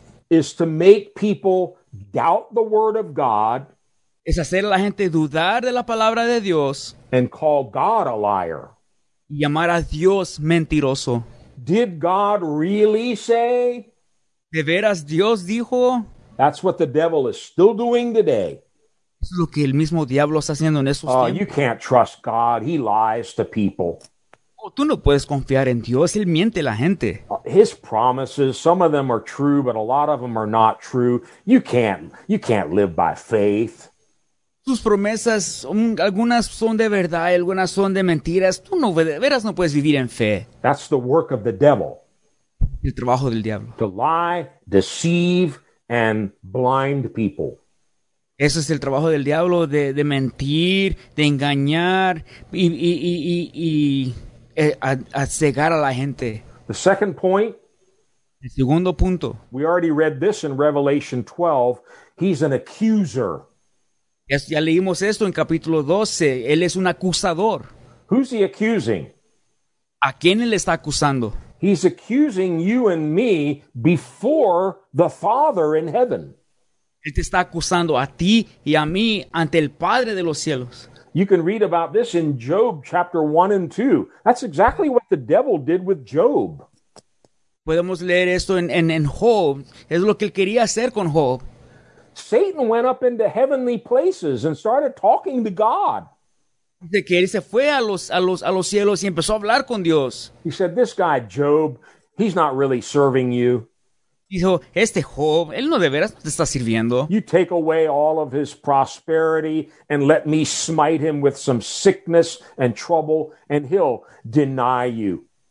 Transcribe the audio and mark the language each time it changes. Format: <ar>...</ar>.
<en>Is to make people doubt the word of God.</en> <es>Es hacer a la gente dudar de la palabra de Dios.</es> <en>And call God a liar.</en> <es>Y llamar a Dios mentiroso.</es> <en>Did God really say?</en> <es>¿De veras Dios dijo?</es> <en>That's what the devil is still doing today.</en> <es>Eso es lo que el mismo diablo está haciendo en esos tiempos.</es> <en>Oh, you can't trust God. He lies to people.</en> <es>Tú no puedes confiar en Dios, él miente a la gente.</es> <en>His promises, some of them are true, but a lot of them are not true. You can't live by faith.</en> <es>Sus promesas, algunas son de verdad, algunas son de mentiras. Tú no, de veras no puedes vivir en fe.</es> <en>That's the work of the devil.</en> <es>El trabajo del diablo.</es> <en>To lie, deceive, and blind people.</en> <es>Eso es el trabajo del diablo, de mentir, de engañar, y a cegar a la gente.</es> <en>The second point,</en> <es>El segundo punto.</es> <en>We already read this in Revelation 12. He's an accuser.</en> <es>Ya leímos esto en capítulo 12. Él es un acusador.</es> <en>Who's he accusing?</en> <es>¿A quién él está acusando?</es> <en>He's accusing you and me before the Father in heaven.</en> <es>Él te está acusando a ti y a mí ante el Padre de los cielos.</es> <en>You can read about this in Job chapter 1 and 2. That's exactly what the devil did with Job.</en> <es>Podemos leer esto en Job. Es lo que él quería hacer con Job.</es> <en>Satan went up into heavenly places and started talking to God.</en> <es>De que él se fue a los cielos y empezó a hablar con Dios.</es> <en>He said, this guy, Job, he's not really serving you.</en> <es>Dijo, este Job, él no de veras te está sirviendo.</es> <en>You take away all of his prosperity and let me smite him with some sickness and trouble and he'll deny you.</en>